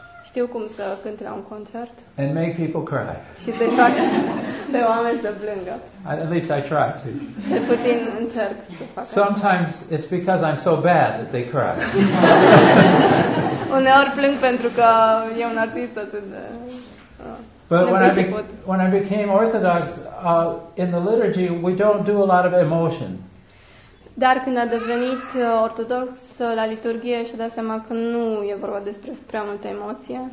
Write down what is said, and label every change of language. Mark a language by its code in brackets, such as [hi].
[ro] Știu cum să cânt la un concert. [en] And make people cry. [ro] Și să fac pe oameni să plângă. [en] At least I try to. [ro] Cel puțin încerc să fac. [en] Sometimes it's because I'm so bad that they cry. [ro] Uneori plâng pentru că e un artist atât de... [en] But when I became Orthodox, in the liturgy, we don't do a lot of emotion. [ro] Dar când a devenit ortodox la liturghie, și-a dat seama că nu e vorba despre prea multă emoție.